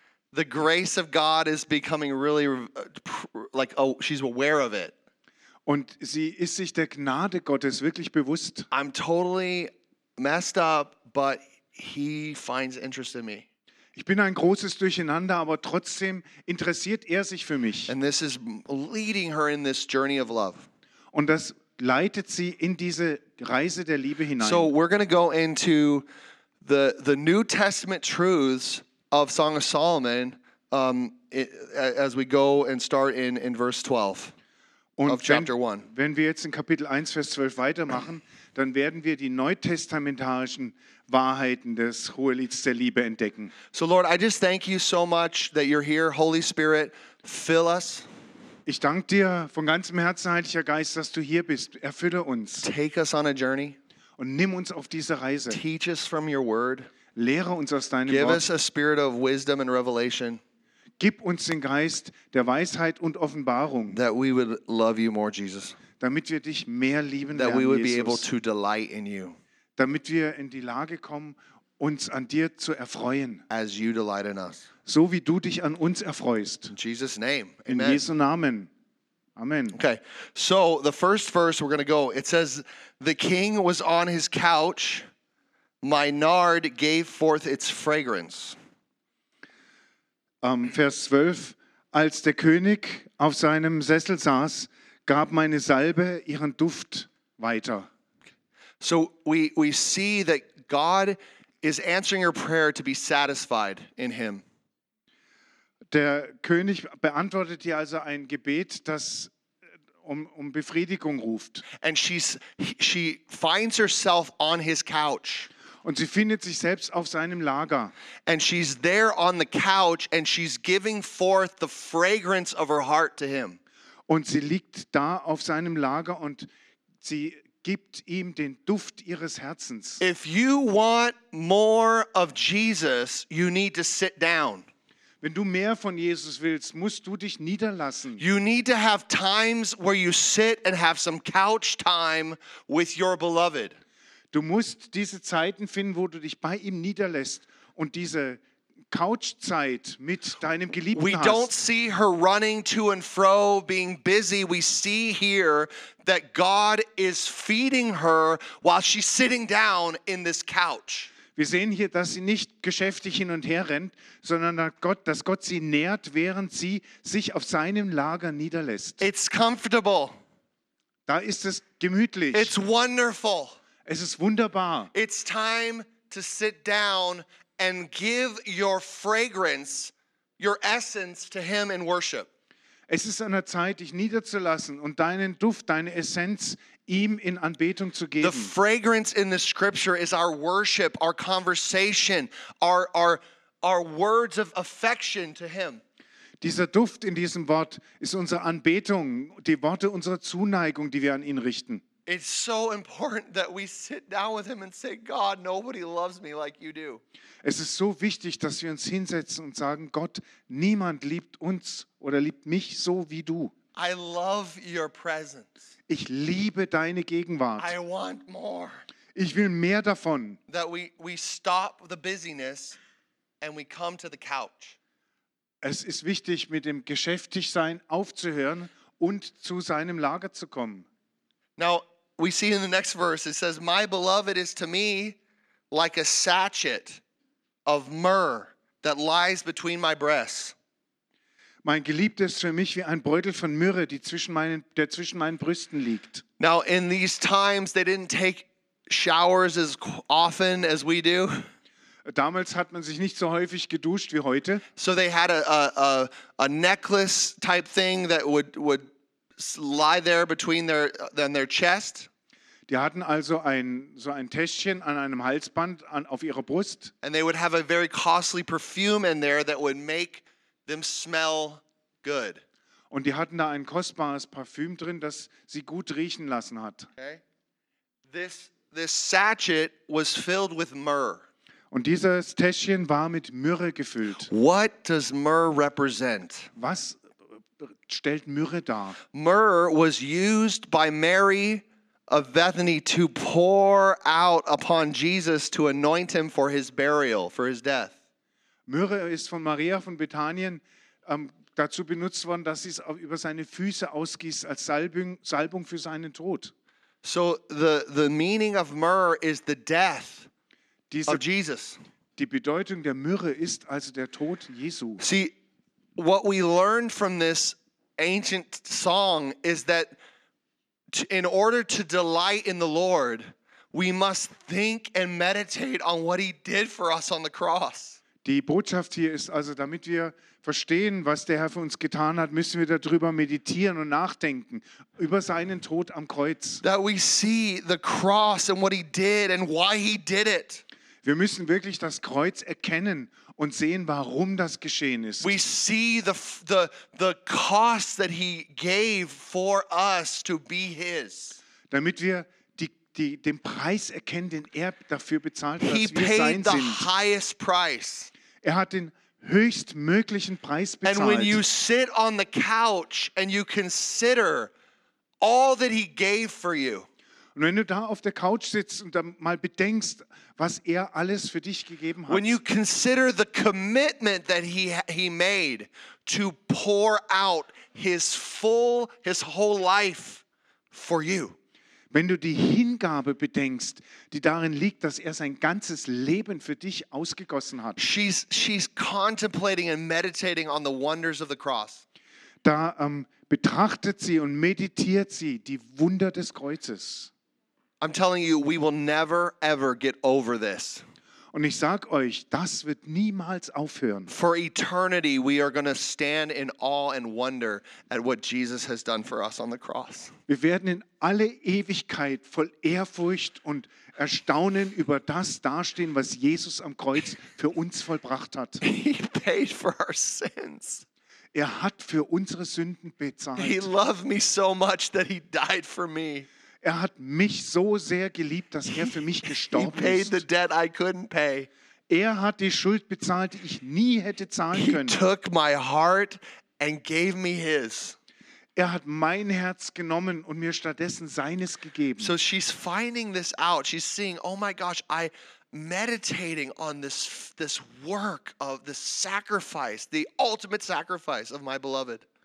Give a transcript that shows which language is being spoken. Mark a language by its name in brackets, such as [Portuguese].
[English] The grace of God is becoming really like, oh, she's aware of it. [German] Und sie ist sich der Gnade Gottes wirklich bewusst. [English] I'm totally messed up, but he finds interest in me. [German] Ich bin ein großes Durcheinander, aber trotzdem interessiert sich für mich. [English] And this is leading her in this journey of love. [German] Und das leitet sie in diese Reise der Liebe hinein. [English] So we're going to go into the New Testament truths of Song of Solomon as we go and start in verse 12. [German] Und [English] of chapter 1. [German] Wenn wir jetzt in Kapitel 1, Vers 12 weitermachen, dann werden wir die neutestamentarischen Wahrheiten des Hohelieds der Liebe entdecken. [English] So Lord, I just thank you so much that you're here. Holy Spirit, fill us. [German] Ich danke dir von ganzem Herzen, Heiliger Geist, dass du hier bist. Erfülle uns. [English] Take us on a journey. [German] Und nimm uns auf diese Reise. [English] Teach us from your word. [German] Lehre uns aus deinem [English] Give [German] Wort. [English] Us a spirit of wisdom and revelation. [German] Gib uns den Geist der Weisheit und Offenbarung. [English] That we would love you more, Jesus. [German] Damit wir dich mehr lieben [English] That [German] lernen, [English] we would [German] Jesus. [English] Be able to delight in you. [German] Damit wir in die Lage kommen, uns an dir zu erfreuen. [English] As you delight in us. [German] So wie du dich an uns erfreust. [English] In Jesus' name. [German] Amen. In Jesu Namen. Amen. [English] Okay, so the first verse we're going to go, it says, the king was on his couch. My nard gave forth its fragrance. [German] Vers 12. Als der König auf seinem Sessel saß, gab meine Salbe ihren Duft weiter. [English] So we see that God is answering your prayer to be satisfied in him. [German] Der König beantwortet dir also ein Gebet, das um Befriedigung ruft. [English] And she finds herself on his couch. [German] Und sie findet sich selbst auf seinem Lager. [English] And she's there on the couch and she's giving forth the fragrance of her heart to him. [German] Und sie liegt da auf seinem Lager und sie gibt ihm den Duft ihres Herzens. [English] If you want more of Jesus, you need to sit down. [German] Wenn du mehr von Jesus willst, musst du dich niederlassen. [English] You need to have times where you sit and have some couch time with your beloved. [German] Du musst diese Zeiten finden, wo du dich bei ihm niederlässt und diese Couchzeit mit deinem Geliebten [English] We [German] hast. [English] We don't see her running to and fro, being busy. We see here that God is feeding her while she's sitting down in this couch. [German] Wir sehen hier, dass sie nicht geschäftig hin und her rennt, sondern dass Gott sie nährt, während sie sich auf seinem Lager niederlässt. [English] It's comfortable. [German] Da ist es gemütlich. [English] It's wonderful. [German] Es ist wunderbar. [English] It's time to sit down and give your fragrance, your essence to him in worship. [German] Es ist an der Zeit, dich niederzulassen und deinen Duft, deine Essenz ihm in Anbetung zu geben. [English] The fragrance in the scripture is our worship, our conversation, our words of affection to him. [German] Dieser Duft in diesem Wort ist unsere Anbetung, die Worte unserer Zuneigung, die wir an ihn richten. [English] It's so important that we sit down with him and say, God, nobody loves me like you do. [German] Es ist so wichtig, dass wir uns hinsetzen und sagen, Gott, niemand liebt uns oder liebt mich so wie du. [English] I love your presence. [German] Ich liebe deine Gegenwart. [English] I want more. [German] Ich will mehr davon. [English] That we stop the busyness and we come to the couch. [German] Es ist wichtig, mit dem Geschäftigsein aufzuhören und zu seinem Lager zu kommen. [English] Now, we see in the next verse, it says, my beloved is to me like a sachet of myrrh that lies between my breasts. [German] Mein Geliebter ist für mich wie ein Beutel von Myrrhe, der zwischen meinen Brüsten liegt. [English] Now, in these times, they didn't take showers as often as we do. [German] Damals hat man sich nicht so häufig geduscht wie heute. [English] So they had a necklace type thing that would lie there between their chest. [German] Die hatten also so ein Täschchen an einem Halsband auf ihrer Brust. [English] And they would have a very costly perfume in there that would make them smell good. [German] Und die hatten da ein kostbares Parfüm drin, das sie gut riechen lassen hat. [English] Okay. This sachet was filled with myrrh. [German] Und dieses Täschchen war mit Myrrhe gefüllt. [English] What does myrrh represent? [German] Was stellt Myrrhe dar? [English] Myrrh was used by Mary of Bethany to pour out upon Jesus to anoint him for his burial, for his death. [German] Myrrhe ist von Maria von Bethanien dazu benutzt worden, dass sie es über seine Füße ausgießt als Salbung für seinen Tod. [English] So the meaning of myrrh is the death of Jesus. [German] Die Bedeutung der Myrrhe ist also der Tod Jesu. [English] See, what we learn from this ancient song is that in order to delight in the Lord, we must think and meditate on what he did for us on the cross. [German] Die Botschaft hier ist also, damit wir verstehen, was der Herr für uns getan hat, müssen wir darüber meditieren und nachdenken, über seinen Tod am Kreuz. [English] That we see the cross and what he did and why he did it. [German] Wir müssen wirklich das Kreuz erkennen und sehen, warum das geschehen ist. [English] We see the cost that he gave for us to be his. [German] Damit wir den Preis erkennen, den er dafür bezahlt hat, dass wir sein sind. [English] He paid the highest price. [German] Er hat den höchstmöglichen Preis bezahlt. [English] And when you sit on the couch and you consider all that he gave for you. [German] Und wenn du da auf der Couch sitzt und dann mal bedenkst, was er alles für dich gegeben hat. [English] When you consider the commitment that he made to pour out his whole life for you. [German] Wenn du die Hingabe bedenkst, die darin liegt, dass er sein ganzes Leben für dich ausgegossen hat. [English] She's contemplating and meditating on the wonders of the cross. [German] Da betrachtet sie und meditiert sie die Wunder des Kreuzes. [English] I'm telling you, we will never ever get over this. [German] Und ich sag euch, das wird niemals aufhören. [English] For eternity we are going to stand in awe and wonder at what Jesus has done for us on the cross. [German] Wir werden in alle Ewigkeit voll Ehrfurcht und Erstaunen über das dastehen, was Jesus am Kreuz für uns vollbracht hat. [English] He paid for our sins. [German] Er hat für unsere Sünden bezahlt. [English] He loved me so much that he died for me. [German] Er hat mich so sehr geliebt, dass er für mich gestorben [English] he paid The debt I couldn't pay. [German] Er hat die Schuld bezahlt, die ich nie hätte zahlen [English] he [German] können. [English] Took my heart and gave me his. [German] Er hat mein Herz genommen und mir stattdessen seines gegeben. [English] So she's finding this out. She's seeing, oh my gosh, I meditating on this work of the sacrifice, the ultimate sacrifice of my beloved.